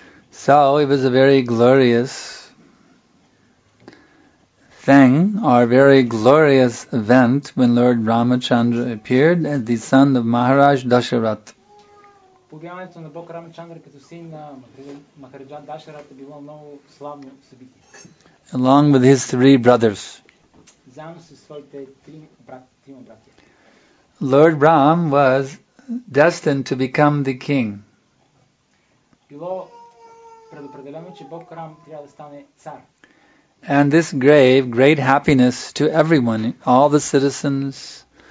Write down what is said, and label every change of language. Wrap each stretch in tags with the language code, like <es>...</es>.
<en>So it was a very glorious thing, or very glorious event, when Lord Ramachandra appeared as the son of Maharaj Dasharath.</en> <bg>Появяването на Бог Рамачандра като син на Махараджа Дашарата било много славно събитие.</bg> <en>Along with his three brothers.</en> <bg>Заедно с своите трима братя.</bg> <en>Lord Ram was destined to become the king.</en> <bg>Предопределено, че Бог Рам трябва да стане цар.</bg> <en>And this gave great happiness to everyone, all the citizens.</en>